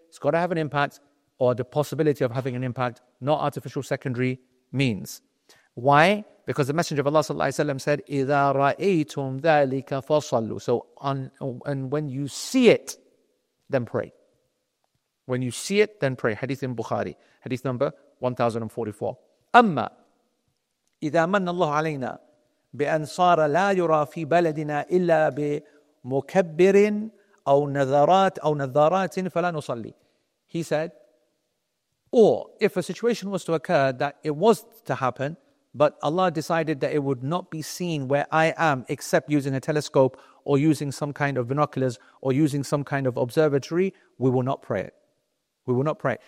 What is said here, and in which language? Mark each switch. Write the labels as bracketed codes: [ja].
[en] It's got to have an impact, or the possibility of having an impact, not artificial secondary means. Why? Because the Messenger of Allah sallallahu alaihi wasallam said, [ar] إِذَا رَأَيْتُمْ ذَلِكَ فَصَلُّ. [en] So, and when you see it, then pray. When you see it, then pray. Hadith in Bukhari, hadith number 1044. [ar] أما إذا من الله علينا بأن صار لا يرى في بلدنا إلا بمكبر أو نظرات أو نظارات فلا نصلي. [en] He said, or if a situation was to occur that it was to happen, but Allah decided that it would not be seen where I am except using a telescope or using some kind of binoculars or using some kind of observatory, we will not pray it. We will not pray.